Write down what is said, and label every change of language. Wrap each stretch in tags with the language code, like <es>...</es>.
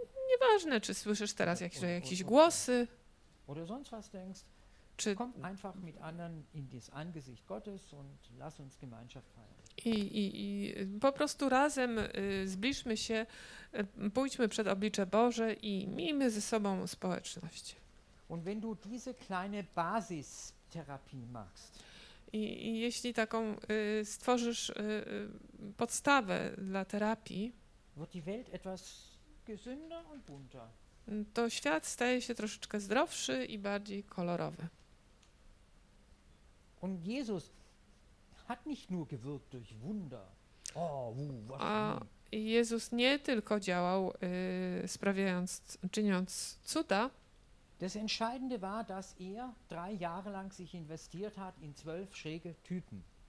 <pl>nieważne, czy słyszysz teraz jakieś głosy,</pl> <de>oder sonst was denkst, czy komm einfach mit anderen in das Angesicht Gottes und lass uns Gemeinschaft feiern.</de> <pl>I po prostu razem zbliżmy się, pójdźmy przed oblicze Boże i miejmy ze sobą społeczność.</pl> <de>Und wenn du diese kleine Basistherapie machst,</de> <pl>i jeśli taką stworzysz podstawę dla terapii,</pl> <de>wird die Welt etwas gesünder und bunter.</de> <pl>To świat staje się troszeczkę zdrowszy i bardziej kolorowy.</pl> <de>Und Jesus hat nicht nur gewirkt durch Wunder.</de> <pl>A Jezus nie tylko działał sprawiając, czyniąc cuda.</pl> <de>Das Entscheidende war, dass er drei Jahre lang sich investiert hat in 12 schräge Typen.</de>